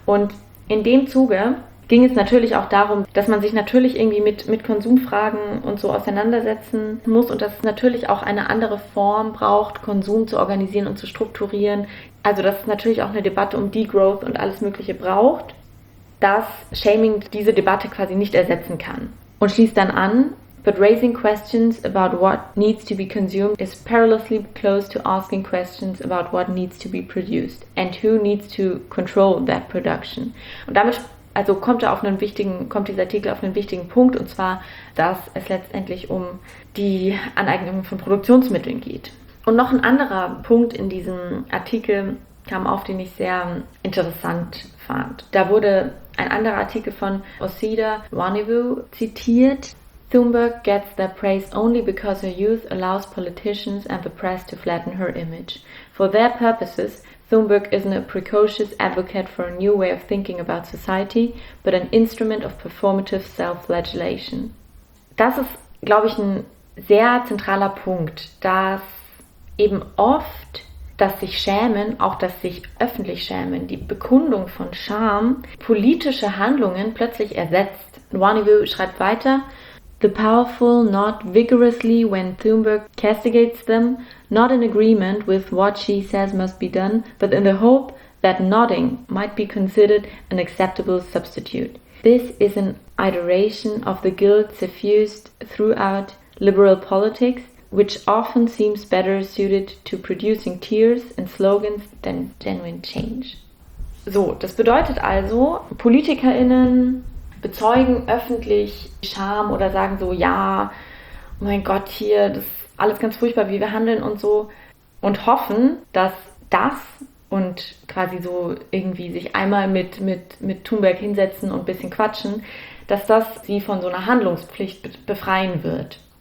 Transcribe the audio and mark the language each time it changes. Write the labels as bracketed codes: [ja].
[de] Und in dem Zuge ging es natürlich auch darum, dass man sich natürlich irgendwie mit Konsumfragen und so auseinandersetzen muss und dass es natürlich auch eine andere Form braucht, Konsum zu organisieren und zu strukturieren. Also dass es natürlich auch eine Debatte um Degrowth und alles Mögliche braucht, dass Shaming diese Debatte quasi nicht ersetzen kann. Und schließt dann an, [en] but raising questions about what needs to be consumed is perilously close to asking questions about what needs to be produced and who needs to control that production. [de] Und damit kommt dieser Artikel auf einen wichtigen Punkt, und zwar, dass es letztendlich um die Aneignung von Produktionsmitteln geht. Und noch ein anderer Punkt in diesem Artikel kam auf, den ich sehr interessant fand. Da wurde ein anderer Artikel von Osida Wanivu zitiert. [en] Thunberg gets the praise only because her youth allows politicians and the press to flatten her image. For their purposes, Thunberg isn't a precocious advocate for a new way of thinking about society, but an instrument of performative self-flagellation. [de] Das ist, glaube ich, ein sehr zentraler Punkt, dass eben oft das sich schämen, auch das sich öffentlich schämen, die Bekundung von Scham, politische Handlungen plötzlich ersetzt. Wanivu schreibt weiter, [en] the powerful nod vigorously when Thunberg castigates them, not in agreement with what she says must be done, but in the hope that nodding might be considered an acceptable substitute. This is an iteration of the guilt suffused throughout liberal politics, which often seems better suited to producing tears and slogans than genuine change. [de] So, das bedeutet also, PolitikerInnen bezeugen öffentlich Scham oder sagen so, ja, oh mein Gott, hier, das ist alles ganz furchtbar, wie wir handeln und so, und hoffen, dass das und quasi so irgendwie sich einmal mit Thunberg hinsetzen und ein bisschen quatschen, dass das sie von so einer Handlungspflicht befreien wird.